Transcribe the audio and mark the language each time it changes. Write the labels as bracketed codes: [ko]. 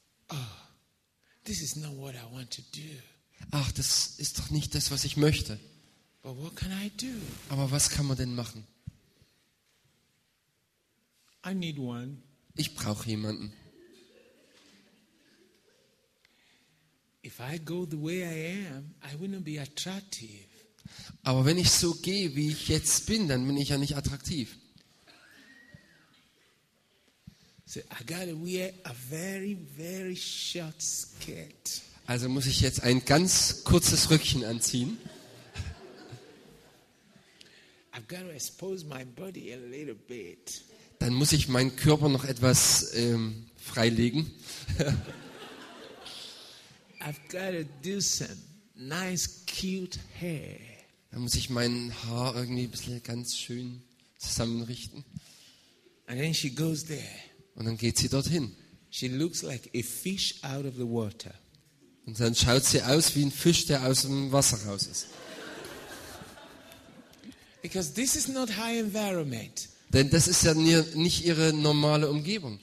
[en] Oh, this is not what I want to do. [de] Ach, das ist doch nicht das, was ich möchte. [en] But what can I do? [de] Aber was kann man denn machen? [en] I need one. [de] Ich brauche jemanden. [en] If I go the way I am, I wouldn't be attractive. [de] Aber wenn ich so gehe, wie ich jetzt bin, dann bin ich ja nicht attraktiv. [en] So I gotta wear a very, very short skirt. [de] Also muss ich jetzt ein ganz kurzes Röckchen anziehen. [en] I've gotta expose my body a little bit. [de] Dann muss ich meinen Körper noch etwas freilegen. [en] I've got to do some nice, cute hair. [de] Da muss ich mein Haar irgendwie ein bisschen ganz schön zusammenrichten. [en] And then she goes there. [de] Und dann geht sie dorthin. [en] She looks like a fish out of the water. [de] Und dann schaut sie aus wie ein Fisch, der aus dem Wasser raus ist. [en] Because this is not her environment. [de] Denn das ist ja nicht ihre normale Umgebung.